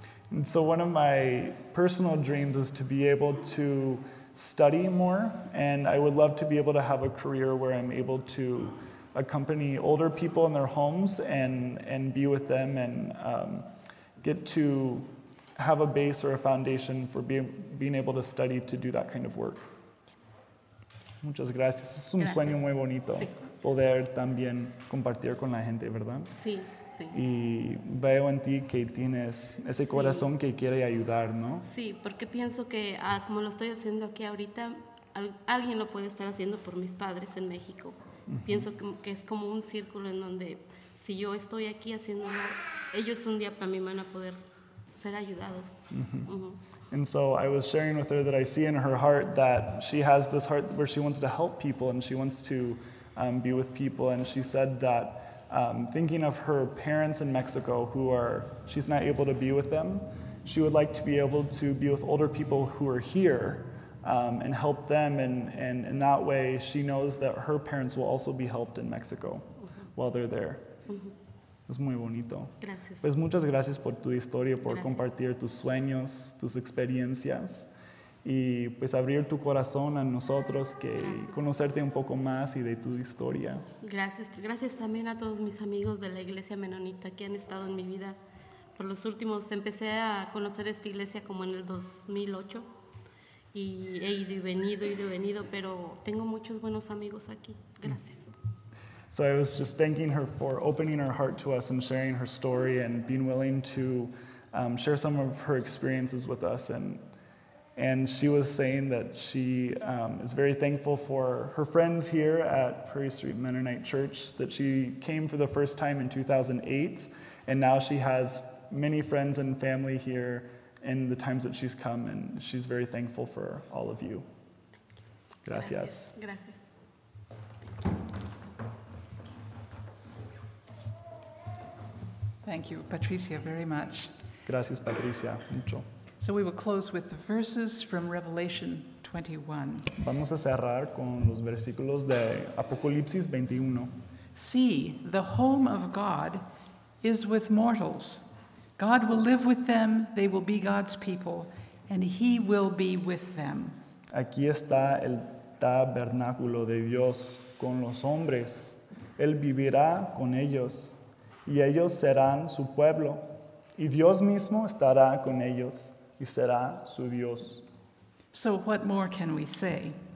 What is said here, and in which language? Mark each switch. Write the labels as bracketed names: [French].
[English] And so one of my personal dreams is to be able to study more, and I would love to be able to have a career where I'm able to accompany older people in their homes and be with them and get to have a base or a foundation for being able to study to do that kind of work. [Spanish] Muchas gracias. Es un sueño muy bonito poder también compartir con la gente, ¿verdad? Sí, sí. Y veo en ti que tienes ese corazón que quiere ayudar, ¿no? Sí, porque pienso que como lo estoy haciendo aquí ahorita, alguien lo puede estar haciendo por mis padres en México. Uh-huh. Pienso que es como un círculo en donde si yo estoy aquí haciéndolo, ellos un día también van a poder ser ayudados. Uh-huh. Uh-huh. [English] And so I was sharing with her that I see in her heart that she has this heart where she wants to help people and she wants to be with people. And she said that thinking of her parents in Mexico she's not able to be with them, she would like to be able to be with older people who are here and help them. And in that way, she knows that her parents will also be helped in Mexico while they're there. [Spanish] Es muy bonito. Gracias. Pues muchas gracias por tu historia, por compartir tus sueños, tus experiencias y pues abrir tu corazón a nosotros, que conocerte un poco más y de tu historia. Gracias. Gracias también a todos mis amigos de la iglesia menonita que han estado en mi vida. Por los últimos, empecé a conocer esta iglesia como en el 2008 y he ido y venido, pero tengo muchos buenos amigos aquí. Gracias. [English] So I was just thanking her for opening her heart to us and sharing her story and being willing to share some of her experiences with us. And she was saying that she is very thankful for her friends here at Prairie Street Mennonite Church, that she came for the first time in 2008, and now she has many friends and family here in the times that she's come, and she's very thankful for all of you. [Spanish] Gracias. Gracias. [English] Thank you, Patricia, very much. [Spanish] Gracias, Patricia, mucho. [English] So we will close with the verses from Revelation 21. [Spanish] Vamos a cerrar con los versículos de Apocalipsis 21. [English] See, the home of God is with mortals. God will live with them, they will be God's people, and he will be with them. [Spanish] Aquí está el tabernáculo de Dios con los hombres. Él vivirá con ellos. Y ellos serán su pueblo, y Dios mismo estará con ellos, y será su Dios. [English] So what more can we say?